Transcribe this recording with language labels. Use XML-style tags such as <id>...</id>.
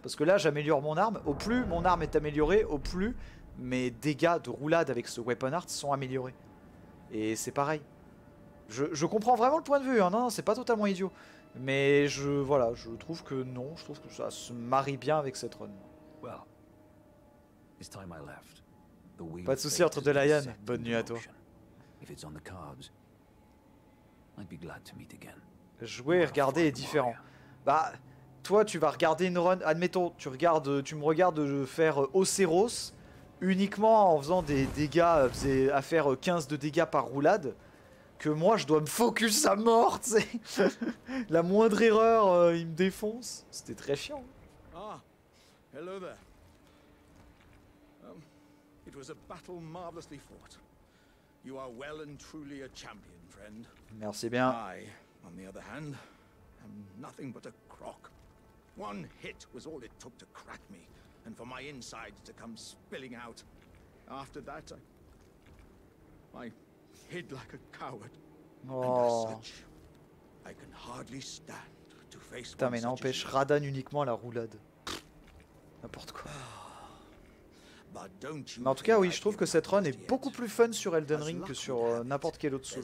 <fr>Parce que là, j'améliore mon arme, au plus mon arme est améliorée, au plus mes dégâts de roulade avec ce weapon art sont améliorés. Et c'est pareil. Je comprends vraiment le point de vue, hein, non, c'est pas totalement idiot. Mais je trouve que ça se marie bien avec cette run.</fr> <en>Well, it's time I left.</en> <fr>Pas de soucis entre Delayan, bonne nuit à toi.</fr> <en>If it's on the cards, I'd be glad to meet again.</en> <fr>Jouer et regarder est différent. Bah, toi tu vas regarder une run, admettons, tu me regardes faire Oceros uniquement en faisant des dégâts, à faire 15 de dégâts par roulade, que moi je dois me focus à mort, t'sais. La moindre erreur, il me défonce. C'était très chiant.</fr> <en>Ah, hello there. It was a battle marvelously fought. You are well and truly a champion, friend.</en> <fr>Merci bien.</fr> <en>I, on the other hand, am nothing but a crock. One hit was all it took to crack me, and for my insides to come spilling out. After that, I hid like a coward. Oh. And as such, I can hardly stand to face.</en> <fr>Putain, mais n'empêche Radahn uniquement la roulade. N'importe quoi. Mais en tout cas, oui, je trouve que cette run est beaucoup plus fun sur Elden Ring que sur n'importe quel autre Souls.</fr>